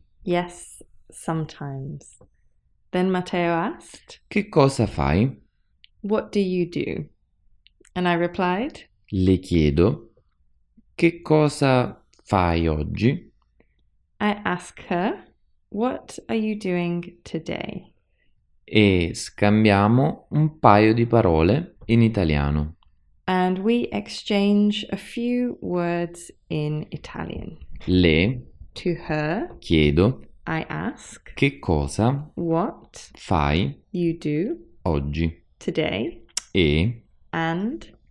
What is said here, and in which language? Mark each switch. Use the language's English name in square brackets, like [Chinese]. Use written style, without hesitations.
[English] Yes, sometimes. Then Matteo asked, [Italian] che cosa fai? [English] What do you do? And I replied, [Italian] le chiedo, che cosa fai oggi? [English] I ask her, what are you doing today? [Italian] E scambiamo un paio di parole in italiano. [English] And we exchange a few words in Italian. [Italian] Le, [English] to her, [Italian] chiedo, [English] I ask, [Italian] che cosa, [English] what, [Italian] fai, [English] you do, [Italian] oggi, [English] today, [Italian] e, [English] and,